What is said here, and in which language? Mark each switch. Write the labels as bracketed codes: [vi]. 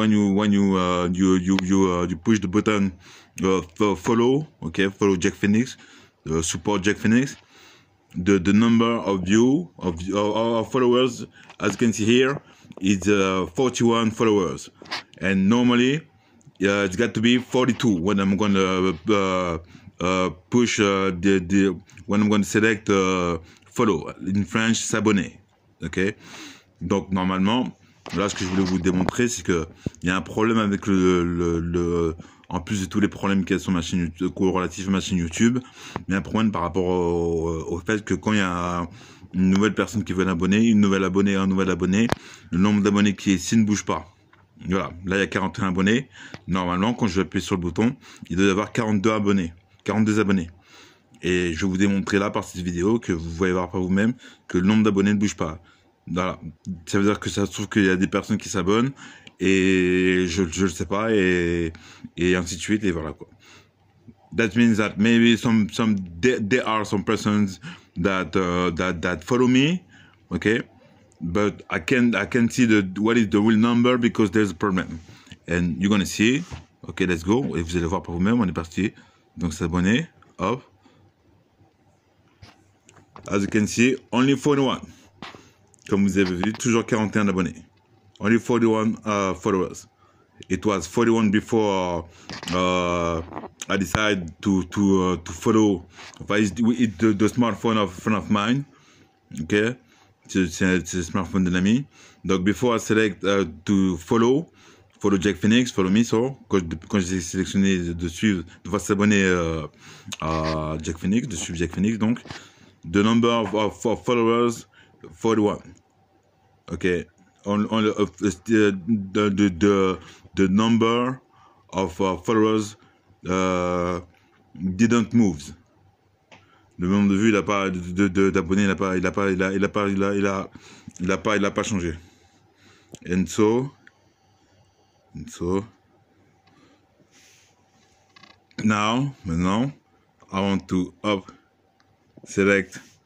[en] When you push the button follow, okay, follow Djeckphenix, support Djeckphenix, the number of you of our followers, as you can see here, is 41 followers, and normally it's got to be 42 when I'm gonna push the when I'm going to select follow in French s'abonner. [fr] Ok, donc normalement là ce que je voulais vous démontrer c'est que il y a un problème avec le en plus de tous les problèmes qu'il y a sur ma chaîne YouTube, relatif à ma chaîne YouTube, mais un problème par rapport au fait que quand il y a une nouvelle personne qui veut l'abonner, une nouvelle abonnée, un nouvel abonné, le nombre d'abonnés qui est ici ne bouge pas. Voilà, là il y a 41 abonnés. Normalement, quand je vais appuyer sur le bouton, il doit y avoir 42 abonnés. 42 abonnés. Et je vais vous démontrer là par cette vidéo que vous voyez voir par vous-même que le nombre d'abonnés ne bouge pas. Voilà. Ça veut dire que ça se trouve qu'il y a des personnes qui s'abonnent et je le sais pas et ainsi de suite et voilà quoi. [en] That means that maybe there are some persons that follow me, ok? But I can't see what is the real number because there's a problem. And you're gonna see. Ok, let's go. [fr] Et vous allez voir par vous-même, on est parti. Donc s'abonner, hop. [en] As you can see, only 41. [fr] Comme vous avez vu, toujours 41 abonnés. [en] Only 41 followers. It was 41 before I decided to follow the smartphone of a friend of mine. [fr] Ok, c'est le smartphone de l'ami. Donc, [en] before I select to follow. Follow Jack Phoenix, follow me, so, [fr] quand j'ai sélectionné de suivre, de s'abonner à Jack Phoenix, de suivre Jack Phoenix, donc, [en] the number of followers, 41. Ok. The number of followers didn't move. [fr] Le nombre de vues, il n'a pas, d'abonnés, il n'a pas changé. [en] And so, maintenant, I want to up select.